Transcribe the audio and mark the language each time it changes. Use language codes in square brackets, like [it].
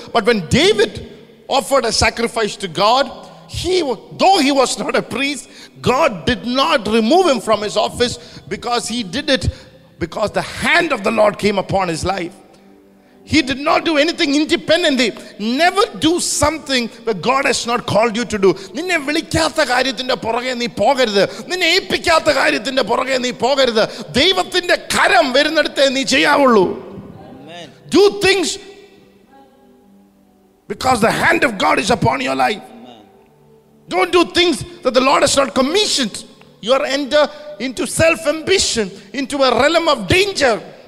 [en] But when David offered a sacrifice to God, though he was not a priest, God did not remove him from his office because he did it because the hand of the Lord came upon his life. He did not do anything independently. Never do something that God has not called you to do. [ml] നിന്നെ വിളിക്കാത്ത കാര്യത്തിന്റെ പുറകെ നീ പോകരുത്. നിന്നെ ഏൽപ്പിക്കാത്ത കാര്യത്തിന്റെ പുറകെ നീ പോകരുത്. ദൈവത്തിന്റെ കരം വരുന്നിടത്തെ നീ ചെയ്യാവുള്ളൂ. [en] Do things because the hand of God is upon your life. Amen. Don't do things that the Lord has not commissioned. You are enter into self-ambition, into a realm of danger.